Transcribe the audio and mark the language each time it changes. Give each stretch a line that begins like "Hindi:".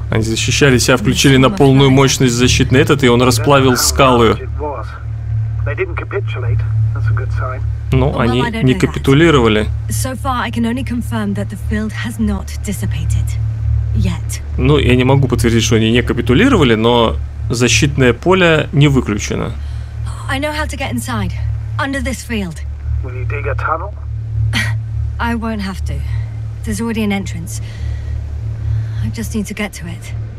Russian: Они защищали себя, включили на полную мощность защитный этот, и он расплавил скалы.
English: They didn't capitulate. That's a good sign.
Russian: Ну, они не капитулировали.
English: So far I can only confirm that the field has not dissipated.
Russian: Ну, я не могу подтвердить, что они не капитулировали, но защитное поле не выключено.
English: I know how to get inside. under this field. Will you dig a tunnel? I won't have to. There's already an entrance. I just need to get to it.